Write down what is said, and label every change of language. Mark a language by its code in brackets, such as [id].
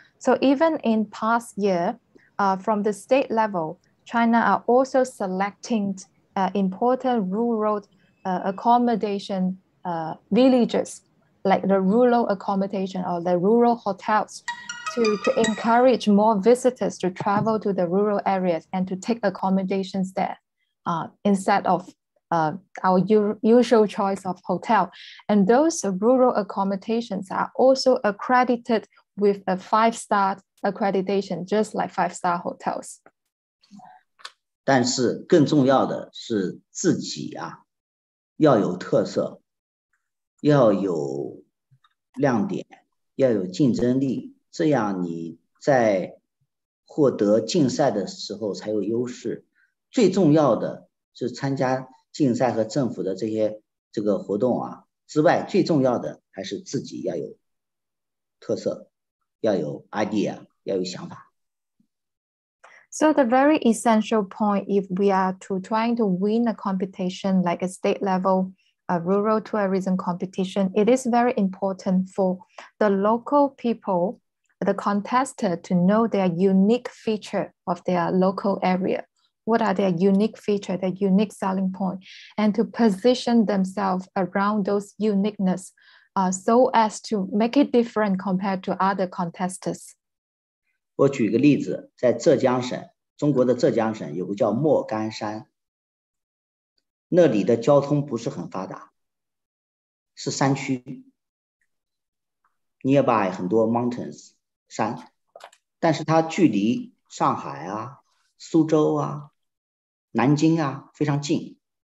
[en] So even in past year, from the state level, China are also selecting important rural accommodation villages, like the rural accommodation or the rural hotels, to encourage more visitors to travel to the rural areas and to take accommodations there instead of our usual choice of hotel. And those rural accommodations are also accredited with a five-star accreditation, just like five-star hotels. [zh] 但是更重要的是自己啊, 要有特色, 要有亮点, 要有竞争力, 这样你在获得竞赛的时候才有优势。最重要的是参加竞赛和政府的这些这个活动啊, 之外, 最重要的还是自己要有特色, 要有idea, 要有想法。 [en] So the very essential point, if we are to trying to win a competition like a state level, a rural tourism competition, it is very important for the local people, the contestant, to know their unique feature of their local area. What are their unique feature, their unique selling point, and to position themselves around those uniqueness so as to make it different compared to other contestants. [zh] 我举个例子, 在浙江省, 中国的浙江省, 有个叫莫干山, 那里的交通不是很发达, 是山区, [en] nearby [zh] 很多 [en] mountains, [zh] 山，但是它距离上海啊、苏州啊、南京啊非常近，